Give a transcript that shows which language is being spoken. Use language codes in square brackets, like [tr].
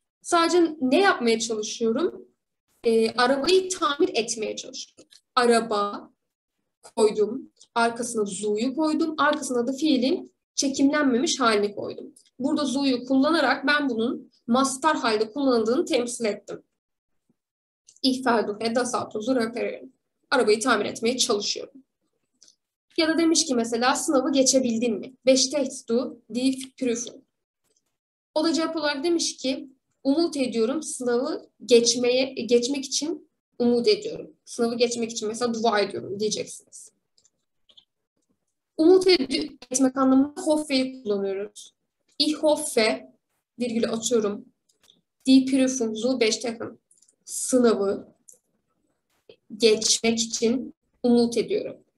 [tr] Sadece ne yapmaya çalışıyorum? Arabayı tamir etmeye çalışıyorum. Araba koydum. Arkasına zu'yu koydum. Arkasına da fiilin çekimlenmemiş halini koydum. Burada zu'yu kullanarak ben bunun mastar halde kullanıldığını temsil ettim. [de] Ich versuche das Auto zu reparieren. [tr] Arabayı tamir etmeye çalışıyorum. Ya da demiş ki mesela sınavı geçebildin mi? [de] Bestehst du die Prüfung. [tr] O da cevap olarak demiş ki umut ediyorum sınavı geçmek için umut ediyorum. Sınavı geçmek için mesela dua ediyorum diyeceksiniz. Umut etmek anlamında hoffe'yi kullanıyoruz. [de] Ich hoffe, [tr] virgülü atıyorum, [de] die Prüfung zu bestehen, [tr] sınavı geçmek için umut ediyorum.